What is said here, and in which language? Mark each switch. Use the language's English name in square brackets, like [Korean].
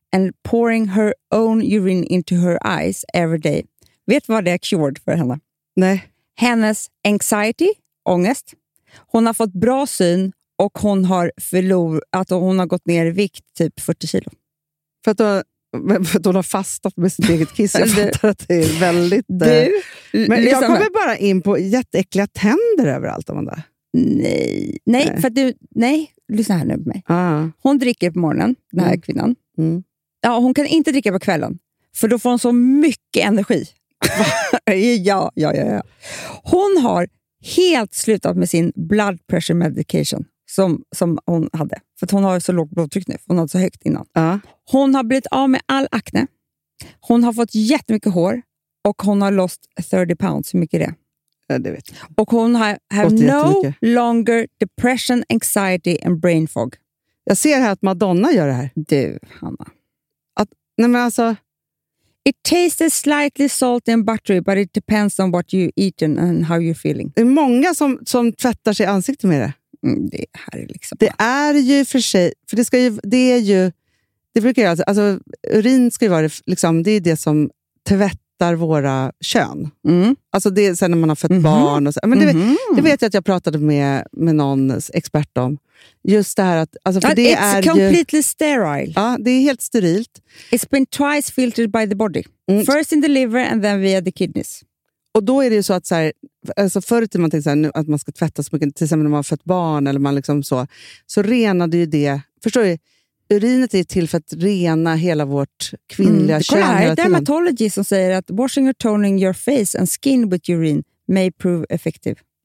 [English] And pouring her own urine into her eyes every day. [Swedish] Vet du vad det är cured för henne? Nej. Hennes anxiety, ångest. Hon har fått bra syn och hon har förlorat, att hon har gått ner i vikt typ 40 kilo. För att hon har fastat med sitt eget kiss. Jag fattar att det är väldigt... Du, men jag liksom, kommer bara in på jätteäckliga tänder överallt. Amanda. Nej, för att du... Nej, lyssna här nu på mig. Hon dricker på morgonen, den här kvinnan. Mm. Ja, hon kan inte dricka på kvällen. För då får hon så mycket energi. Ja. Hon har helt slutat med sin [English] blood pressure medication [Swedish] som hon hade. För att hon har så lågt blodtryck nu. Hon hade så högt innan. Hon har blivit av med all akne. Hon har fått jättemycket hår. Och hon har [English] lost 30 pounds. [Swedish] Hur mycket är det? Ja, det vet jag. Och hon har [English] no longer depression, anxiety and brain fog. [Swedish] Jag ser här att Madonna gör det här. Du, Hanna. Nej, men alltså. [English] It tastes slightly salty and buttery, but it depends on what you eat and how you're feeling. [Swedish] Det är många som tvättar sig ansiktet med det. Det här är liksom. Det är ju för sig, för det ska ju, det är ju, det brukar jag, alltså urin ska ju vara liksom, det är det som tvättar hittar våra kön. Mm. Alltså det sen när man har fött barn. Och så, men det, det vet jag att jag pratade med någon expert om. Just det här att... Alltså för det [English] it's [Swedish] är [English] completely [Swedish] ju, [English] sterile. [Swedish] Ja, det är helt sterilt. [English] It's been twice filtered by the body. Mm. First in the liver and then via the kidneys. [Swedish] Och då är det ju så att så här, alltså förut när man tänkte så här, nu, att man ska tvätta så mycket, till exempel när man har fött barn eller man liksom så, så renade ju det. Förstår du? Urinet är till för att rena hela vårt kvinnliga kön. Kolla, det är dermatology som säger att [English] washing or toning your face and skin with urine may prove effective.